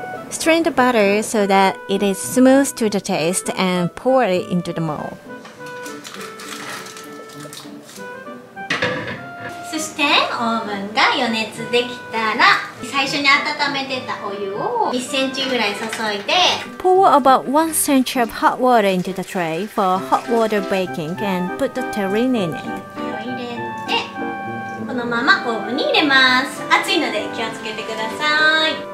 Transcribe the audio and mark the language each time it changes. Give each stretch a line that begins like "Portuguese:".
English: Strain the butter so that it is smooth to the taste and pour it into the mold.
Japanese: そしてオーブンが予熱できたら、最初に温めてたお湯を1センチぐらい注いで、
English: Pour about 1 cm of hot water into the tray for hot water baking and put the terrine in it.
Japanese: 入れて、このままオーブンに入れます。熱いので気をつけてください。